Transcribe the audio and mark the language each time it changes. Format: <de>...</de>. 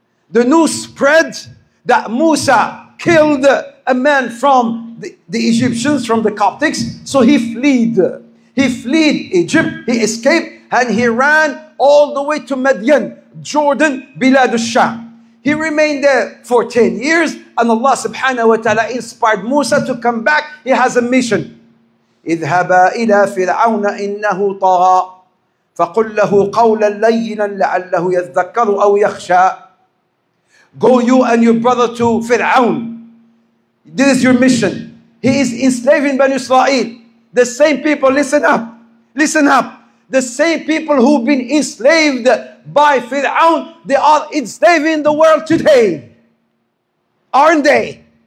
<en>The news spread that Musa killed a man from the Egyptians, from the Coptics. So he fled. He fled Egypt. He escaped and he ran all the way to Madian, Jordan, Bilad al-Sham. He remained there for 10 years and Allah subhanahu wa ta'ala inspired Musa to come back. He has a mission.</en> <ar>اذهبا إلى فرعون إنه طغى فقل له قولا لينا لعله يذكر أو يخشى.</ar> <en>Go you and your brother to Fir'aun. This is your mission. He is enslaving Banu Israel. The same people, listen up. Listen up. The same people who've been enslaved by Fir'aun, they are enslaving the world today. Aren't they?</en>